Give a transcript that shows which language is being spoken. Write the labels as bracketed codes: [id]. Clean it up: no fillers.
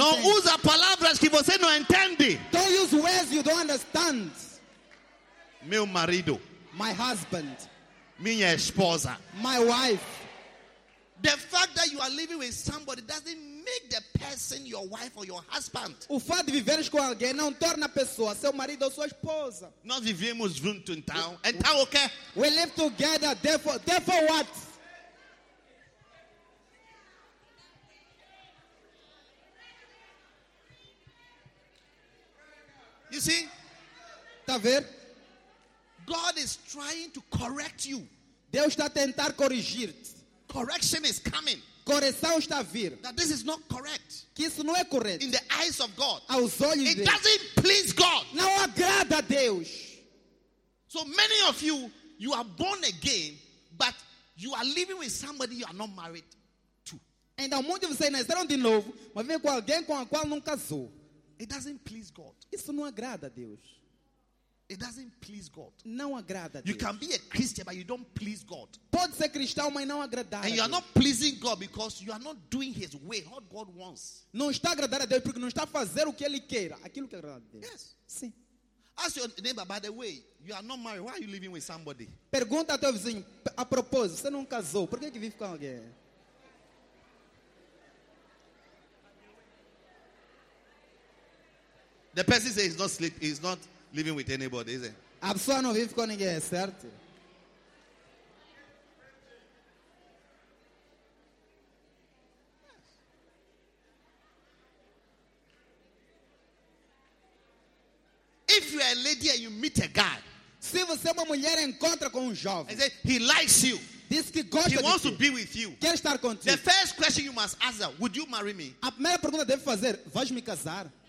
[pt] Não usa palavras que você não entende. [en] Don't use words you don't understand. [pt] Meu marido. [en] My husband. [pt] Minha esposa. [en] My wife. The fact that you are living with somebody doesn't make the person your wife or your husband. [pt] O fato de viveres com alguém não torna a pessoa seu marido ou sua esposa. Nós vivemos juntos então. Então o quê? [en] We live together, therefore what? You see? [pt] Tá ver? [en] God is trying to correct you. [pt] Deus está tentar corrigir-te. [en] Correction is coming. [pt] Correção está a vir. [en] That this is not correct. [pt] Que isso não é correto. [en] In the eyes of God. [pt] Aos olhos [en] it Deus. Doesn't please God. [pt] Não agrada a Deus. [en] So many of you are born again, but you are living with somebody you are not married to. [pt] Então muitos de vocês nasceram de novo, mas vivem com alguém com a qual não casou. [en] It doesn't please God. [pt] Isso não agrada a Deus. [en] It doesn't please God. [pt] Não agrada a Deus. [en] You can be a Christian, but you don't please God. [pt] Pode ser cristão, mas não agradar. [en] And you are not pleasing God because you are not doing His way, what God wants. [pt] Não está agradar a Deus porque não está fazer o que Ele queira, aquilo que agrada a Deus. [en] Yes. [pt] Sim. [en] Ask your neighbor, by the way, you are not married. Why are you living with somebody? [pt] Pergunta ao teu vizinho, a propósito, você não casou, por que vive com alguém? [en] The person says he's not sleep. He's not living with anybody, is it? [pt] A pessoa não vive com ninguém, certo? [en] If you are a lady and you meet a guy, [pt] se você é uma mulher encontra com jovem, [en] and say, he likes you, [pt] diz que gosta [en] he [pt] de [en] wants [pt] ti, [en] to be with you, [pt] quer estar contigo. [en] The first question you must ask her, would you marry me? [pt] A primeira pergunta deve fazer, vais me casar?